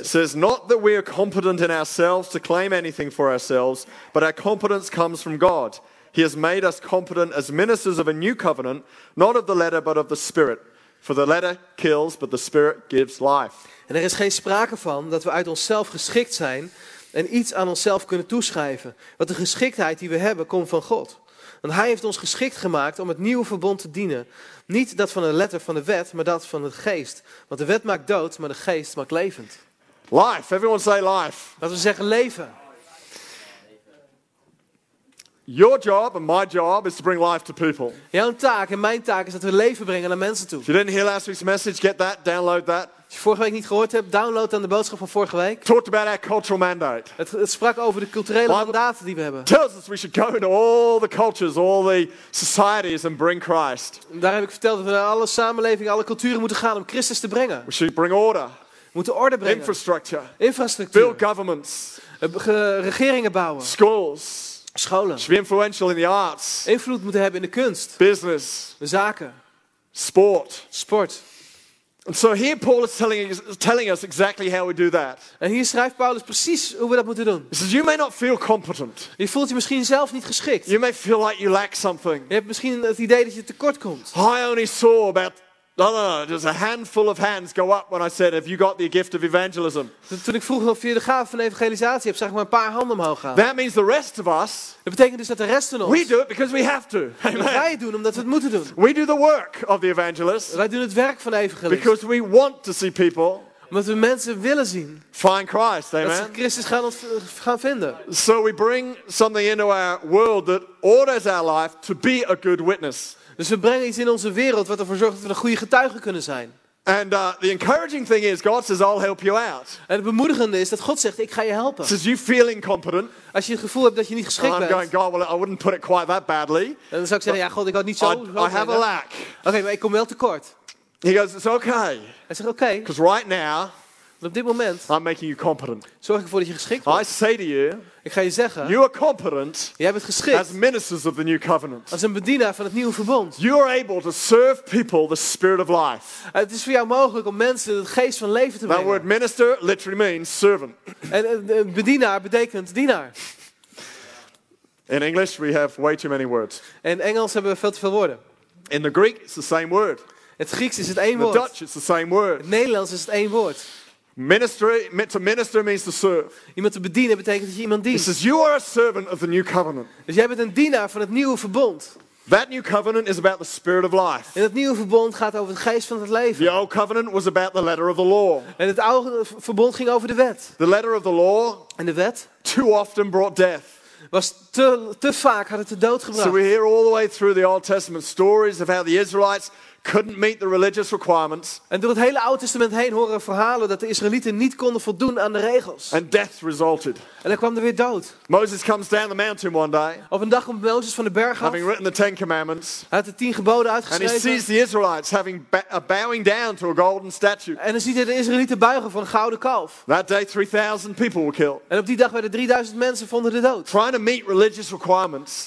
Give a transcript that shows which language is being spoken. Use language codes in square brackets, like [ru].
[en] It says, not that we are competent in ourselves to claim anything for ourselves, but our competence comes from God. He has made us competent as ministers of a new covenant, not of the letter, but of the spirit. For the letter kills, but the spirit gives life. [nl] En er is geen sprake van dat we uit onszelf geschikt zijn en iets aan onszelf kunnen toeschrijven. Want de geschiktheid die we hebben komt van God. Want hij heeft ons geschikt gemaakt om het nieuwe verbond te dienen. Niet dat van de letter van de wet, maar dat van de geest. Want de wet maakt dood, maar de geest maakt levend. [en] Life, everyone say life. [nl] Laten we zeggen leven. [en] Your job and my job is to bring life to people. [nl] Jouw taak en mijn taak is dat we leven brengen naar mensen toe. [en] If you didn't hear last week's message, get that, download that. [nl] Als je vorige week niet gehoord hebt, download dan de boodschap van vorige week. [en] Talked about our cultural mandate. [nl] Het sprak over de culturele mandaten die we hebben. [en] Tells us we should go into all the cultures, all the societies and bring Christ. [nl] Daar heb ik verteld dat we naar alle samenlevingen, alle culturen moeten gaan om Christus te brengen. [en] We should bring order. [nl] We moeten orde brengen. [en] Infrastructure. [nl] Infrastructuur. [en] Build governments. [nl] Regeringen bouwen. [en] Schools. [nl] Scholen. [en] Should be influential in the arts. [nl] Invloed moeten hebben in de kunst. [en] Business. [nl] Zaken. [en] Sport. [nl] Sport. [en] And so here Paul is telling us exactly how we do that. [nl] En hier schrijft Paulus precies hoe we dat moeten doen. [en] He says, you may not feel competent. [nl] Je voelt je misschien zelf niet geschikt. [en] You may feel like you lack something. [nl] Je hebt misschien het idee dat je tekort komt. [en] I only saw about there's a handful of hands go up when I said, have you got the gift of evangelism? [nl] Toen ik vroeg of je de gave van evangelisatie hebt, zag ik maar een paar handen omhoog gaan. [en] That means the rest of us. [nl] Dat betekent dus dat de rest van ons. [en] We do it because we have to. Amen. [nl] Wij doen omdat we het moeten doen. [en] We do the work of the evangelist. [nl] Wij doen het werk van de evangelist. [en] Because we want to see people. [nl] Omdat we mensen willen zien. [en] Find Christ, amen. [nl] Dat ze Christus gaan vinden. [en] So we bring something into our world that orders our life to be a good witness. [nl] Dus we brengen iets in onze wereld wat ervoor zorgt dat we een goede getuige kunnen zijn. [en] And the encouraging thing is, God says, I'll help you out. [nl] En het bemoedigende is dat God zegt, ik ga je helpen. [en] Says, you feel incompetent. [nl] Als je het gevoel hebt dat je niet geschikt bent. [en] I'm going, God, well, I wouldn't put it quite that badly. [nl] En dan zou ik zeggen, ja, God, ik had niet zo. [en] I have a lack. [nl] Oké, maar ik kom wel tekort. [en] He goes, it's okay. [nl] Hij zegt, oké. [en] Because right now, [nl] want op dit moment, [en] I'm making you competent. [nl] Zorg ik ervoor dat je geschikt wordt. [en] I say to you, [nl] ik ga je zeggen, [en] you are competent. [nl] Jij bent geschikt. [en] As ministers of the new covenant. [nl] Als een bedienaar van het nieuwe verbond. [en] You are able to serve people the spirit of life. [nl] Het is voor jou mogelijk om mensen het geest van leven te brengen. [en] That word minister literally means servant. [nl] En bedienaar betekent dienaar. [en] In English we have way too many words. [nl] In Engels hebben we veel te veel woorden. [en] In the Greek it's the same word. [nl] Het Grieks is het één woord. [en] In the Dutch it's the same word. [nl] In het Nederlands is het één woord. [en] Ministry, to minister means to serve. [nl] Iemand te bedienen betekent dat je iemand dient. [en] He says, you are a servant of the new covenant. [nl] Dus jij bent een dienaar van het nieuwe verbond. [en] That new covenant is about the spirit of life. [nl] En het nieuwe verbond gaat over het geest van het leven. [en] The old covenant was about the letter of the law. [nl] En het oude verbond ging over de wet. [en] The letter of the law. [nl] En de wet. [en] Too often brought death. [nl] Was te vaak had het de dood gebracht. [en] So we hear all the way through the Old Testament stories of how the Israelites couldn't meet the religious requirements. [nl] En door het hele Oude Testament heen horen verhalen dat de Israëlieten niet konden voldoen aan de regels. [en] And death resulted. [nl] En dan kwam er weer dood. [en] Moses comes down the mountain one day. [nl] Op een dag komt Mozes van de berg af. [en] Having written the Ten Commandments. [nl] Hij had de 10 geboden uitgeschreven. [en] And he sees the Israelites having bowing down to a golden statue. [nl] En dan ziet hij de Israëlieten buigen voor een gouden kalf. [en] That day 3,000 people were killed. [nl] En op die dag werden 3,000 mensen vonden de dood. [en] Trying to meet religious requirements.